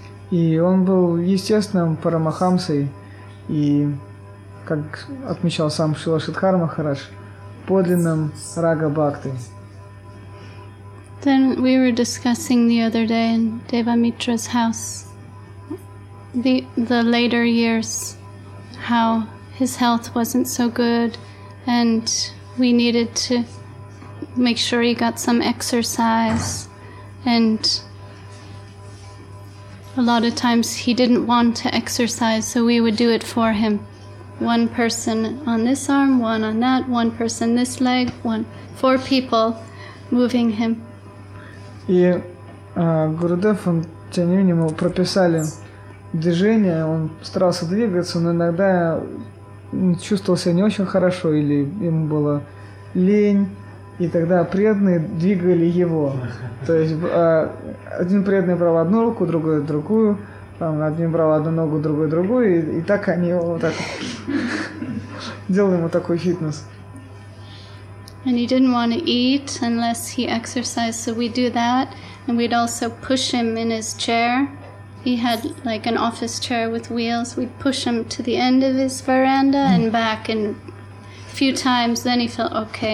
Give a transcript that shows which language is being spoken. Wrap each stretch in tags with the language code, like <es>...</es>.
<ru>И он был естественным Парамахамсой, и, как отмечал сам Шрила Шридхар Махарадж, подлинным Рага Бхактой.</ru> <en>Then we were discussing the other day in Devamitra's house the later years, how his health wasn't so good, and we needed to make sure he got some exercise, and a lot of times he didn't want to exercise, so we would do it for him. One person on this arm, one on that, one person this leg, one, four people moving him.</en> <ru>И Гурудев, он, тем не менее, мы прописали движение, он старался двигаться, но иногда чувствовал себя не очень хорошо, или ему была лень, и тогда преданные двигали его. То есть один преданный брал одну руку, другой другую, там один брал одну ногу, другой другую, и так они его вот так делали ему такой фитнес.</ru> <en>And he didn't want to eat unless he exercised, so we do that, and we'd also push him in his chair. He had like an office chair with wheels. We'd push him to the end of his veranda and back, and a few times, then he felt okay.</en>